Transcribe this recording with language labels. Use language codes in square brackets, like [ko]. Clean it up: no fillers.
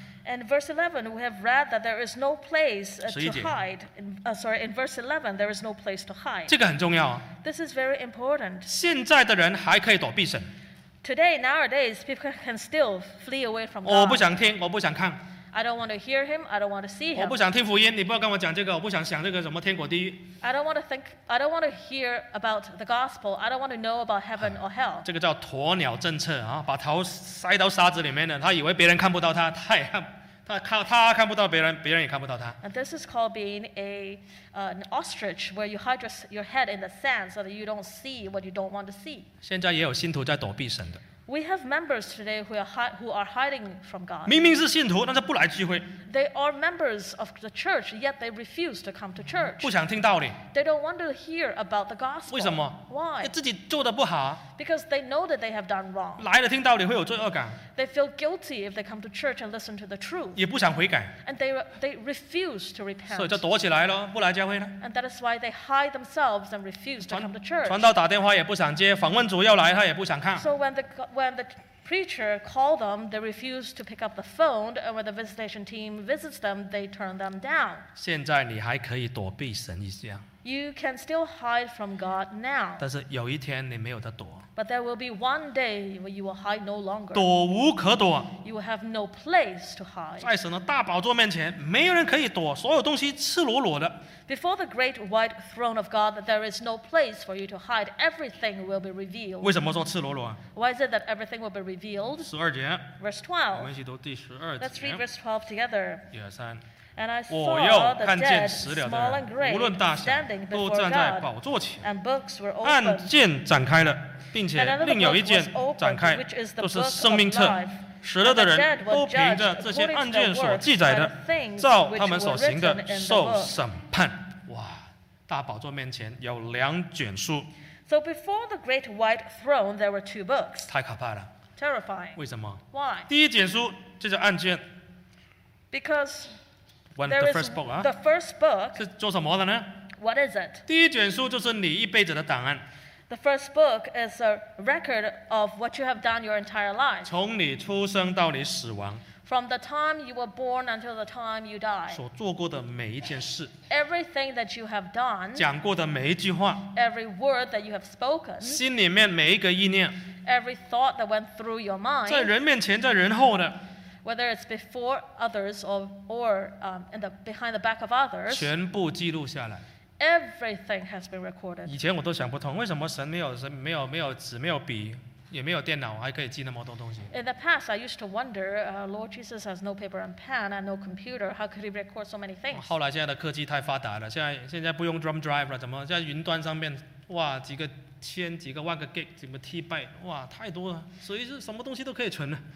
[en] And verse 11, we have read that there is no place to hide. In verse 11, there is no place to hide. [zh] 这个很重要啊。 [en] This is very important. [zh] 现在的人还可以躲避神。 [en] Today, nowadays, people can still flee away from God. [zh] 我不想听，我不想看。 [en] I don't want to hear him. I don't want to see him. [zh] 我不想听福音，你不要跟我讲这个。我不想想这个什么天国地狱。 [en] I don't want to hear about the gospel. I don't want to know about heaven or hell. [zh] 这个叫鸵鸟政策啊，把头塞到沙子里面的，他以为别人看不到他，他看不到别人，别人也看不到他。 [en] And this is called being an ostrich, where you hide your head in the sand so that you don't see what you don't want to see. [zh] 现在也有信徒在躲避神的。 [en] We have members today who are hiding from God. [zh] 明明是信徒, 但是不来聚会。 [en] They are members of the church, yet they refuse to come to church. [zh] 不想听道理。 [en] They don't want to hear about the gospel. [zh] 为什么? [en] Why? [zh] 自己做得不好。 [en] Because they know that they have done wrong. [zh] 来了听道理会有罪恶感。 [en] They feel guilty if they come to church and listen to the truth. [zh] 也不想悔改。 [en] And they refuse to repent. [zh] 所以就躲起来了, 不来教会呢? [en] And that is why they hide themselves and refuse to come to church. [zh] 传道打电话也不想接, 访问主要来, 他也不想看。 [en] So when the preacher called them, they refused to pick up the phone, and when the visitation team visits them, they turn them down. [zh] 现在你还可以躲避神一下。 [en] You can still hide from God now. [zh] 但是有一天你没有得躲。 [en] But there will be one day where you will hide no longer. [zh] 躲无可躲。 [en] You will have no place to hide. [zh] 在神的大宝座面前，没有人可以躲，所有东西赤裸裸的。 [en] Before the great white throne of God, there is no place for you to hide. Everything will be revealed. [zh] 为什么说赤裸裸? [en] Why is it that everything will be revealed? [zh] 十二节, [en] verse 12. [zh] 我们一起读第十二节。 [en] Let's read verse 12 together. [zh] 一二三。 [en] And I saw the dead, small and great, standing before God, and books were opened. And another book was opened, which is the book of life. [zh] 死了的人都凭着这些案件所记载的，照他们所行的受审判。哇，大宝座面前有两卷书。 [en] So before the great white throne, there were two books. [zh] 太可怕了。 [en] Terrifying. [zh] 为什么? [en] Why? [zh] 第一卷书，这叫案件。 [en] Because the first book, the first book [zh] 是做什么的呢? [en] What is it? [zh] 第一卷书就是你一辈子的档案。 [en] The first book is a record of what you have done your entire life. [zh] 从你出生到你死亡。 [en] From the time you were born until the time you die. [zh] 所做过的每一件事。 [en] Everything that you have done. [zh] 讲过的每一句话。 [en] Every word that you have spoken. [zh] 心里面每一个意念。 [en] Every thought that went through your mind. [zh] 在人面前，在人后的。 [en] Whether it's before others or in the behind the back of others, [zh] 全部记录下来, [en] everything has been recorded. [zh] 以前我都想不通，为什么神没有纸、没有笔。也没有电脑，还可以记那么多东西。 [en] In the past, I used to wonder, Lord Jesus has no paper and pen and no computer. How could he record so many things? [zh] 后来现在的科技太发达了，现在不用 drum drive 了，怎么在云端上面，哇，几个千几个万个 gig， 怎么 terabyte， 哇，太多了，所以是什么东西都可以存的。